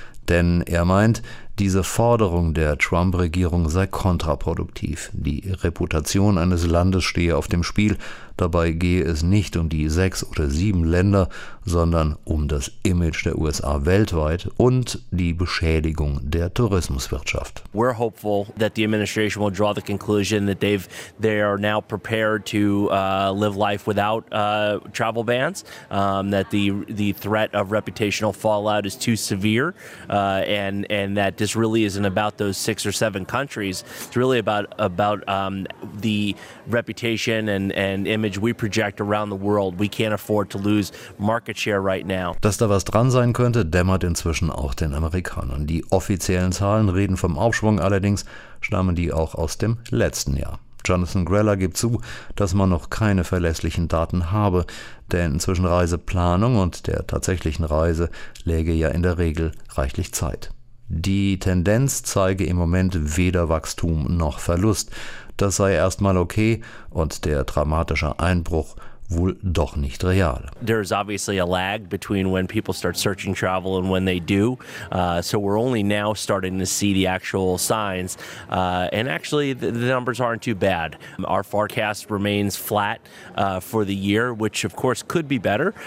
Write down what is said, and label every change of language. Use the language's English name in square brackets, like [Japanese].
[German] Denn er meint, diese Forderung der Trump-Regierung sei kontraproduktiv. Die Reputation eines Landes stehe auf dem Spiel. Dabei gehe es nicht um die 6 oder 7 Länder, sondern um das Image der USA weltweit und die Beschädigung der Tourismuswirtschaft. [English] We're hopeful that the administration will draw the conclusion that they are now prepared to live life without travel bans, that the threat of reputational fallout is too severe, and that this really isn't about those 6 or 7 countries. It's really about the reputation and image we project around the world. We can't afford to lose market share right now. [German] Dass da was dran sein könnte, dämmert inzwischen auch den Amerikanern. Die offiziellen Zahlen reden vom Aufschwung, allerdings stammen die auch aus dem letzten Jahr. Jonathan Greller gibt zu, dass man noch keine verlässlichen Daten habe, denn zwischen Reiseplanung und der tatsächlichen Reise läge ja in der Regel reichlich Zeit. Die Tendenz zeige im Moment weder Wachstum noch Verlust. Das sei erstmal okay und der dramatische Einbruch wohl doch nicht real. [English] There is obviously a lag between when people start searching travel and when they do. So we're only now starting to see the actual signs. And actually the numbers aren't too bad. Our forecast remains flat for the year, which of course could be better.